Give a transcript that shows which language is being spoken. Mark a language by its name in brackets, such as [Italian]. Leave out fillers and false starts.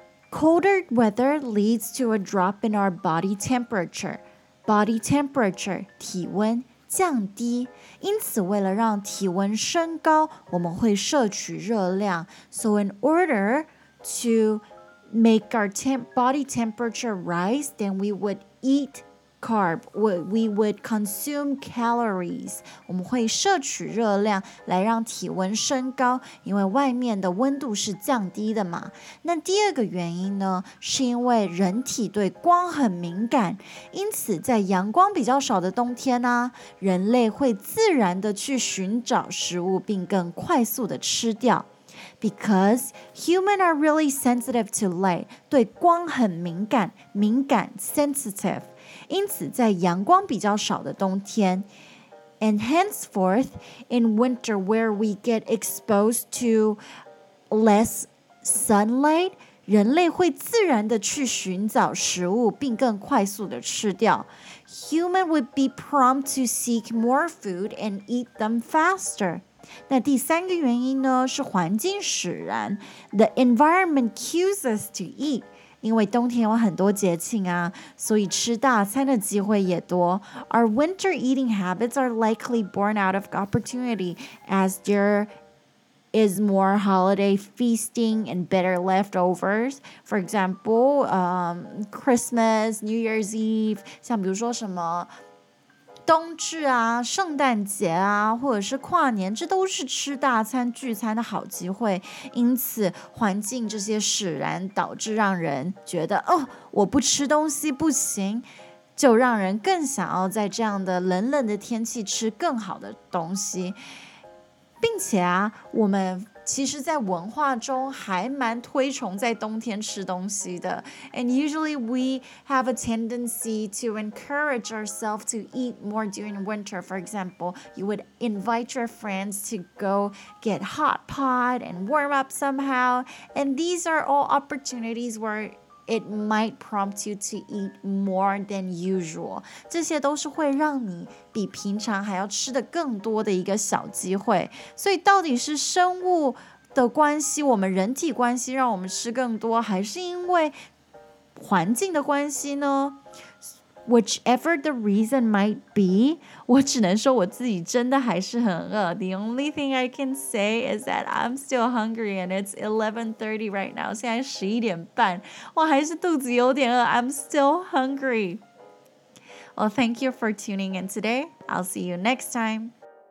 [English] Colder weather leads to a drop in our body temperature. [Chinese] Body temperature, 体温降低。因此为了让体温升高,我们会摄取热量。 [English] So in order to make our body temperature rise, then we would eat carb. We would consume calories. [Chinese] 我们会摄取热量来让体温升高，因为外面的温度是降低的嘛。那第二个原因呢，是因为人体对光很敏感，因此在阳光比较少的冬天呢，人类会自然的去寻找食物，并更快速的吃掉。 [English] Because humans are really sensitive to light, [Chinese] 对光很敏感，敏感 [English] sensitive. [Chinese] 因此在阳光比较少的冬天 [English] and henceforth in winter where we get exposed to less sunlight, [Chinese] 人类会自然的去寻找食物并更快速的吃掉。 [English] Human would be prompt to seek more food and eat them faster. [Chinese] 那第三个原因呢，是环境使然。 [English] The environment cues us to eat. [Chinese] 因为冬天有很多节庆啊，所以吃大餐的机会也多。 [English] Our winter eating habits are likely born out of opportunity as there is more holiday feasting and better leftovers. For example, [Chinese] Christmas, New Year's Eve, 像比如说什么冬至啊，圣诞节啊，或者是跨年，这都是吃大餐聚餐的好机会。因此环境这些使然导致让人觉得哦，我不吃东西不行，就让人更想要在这样的冷冷的天气吃更好的东西。并且啊，我们其实在文化中还蛮推崇在冬天吃东西的。 [English] And usually we have a tendency to encourage ourselves to eat more during winter. For example, you would invite your friends to go get hot pot and warm up somehow. And these are all opportunities where it might prompt you to eat more than usual. [Chinese] 这些都是会让你比平常还要吃的更多的一个小机会。所以到底是生物的关系，我们人体关系让我们吃更多，还是因为环境的关系呢？ [English] Whichever the reason might be, [Chinese] 我只能说我自己真的还是很饿。 [English] The only thing I can say is that I'm still hungry and it's 11:30 right now. [Chinese] 现在11点半，我还是肚子有点饿。 [English] I'm still hungry. Well, thank you for tuning in today. I'll see you next time.